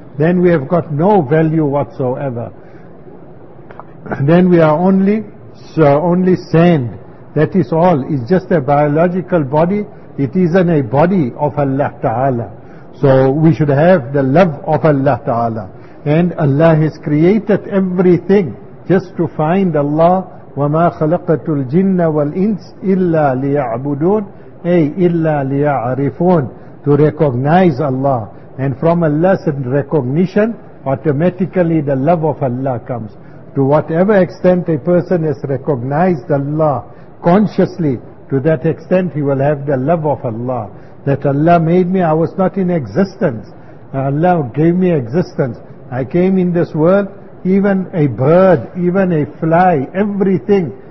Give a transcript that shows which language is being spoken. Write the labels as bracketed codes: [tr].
[en] Then we have got no value whatsoever. Then we are only sand. That is all. It's just a biological body. It isn't a body of Allah Ta'ala. So we should have the love of Allah Ta'ala. And Allah has created everything just to find Allah. [ar] وَمَا خَلَقَتُ الْجِنَّ وَالْإِنسِ إِلَّا لِيَعْبُدُونَ أي إِلَّا لِيَعْرِفُونَ [en] To recognize Allah. And from Allah's recognition, automatically the love of Allah comes. To whatever extent a person has recognized Allah consciously, to that extent he will have the love of Allah. That Allah made me, I was not in existence. Allah gave me existence. I came in this world, even a bird, even a fly, everything.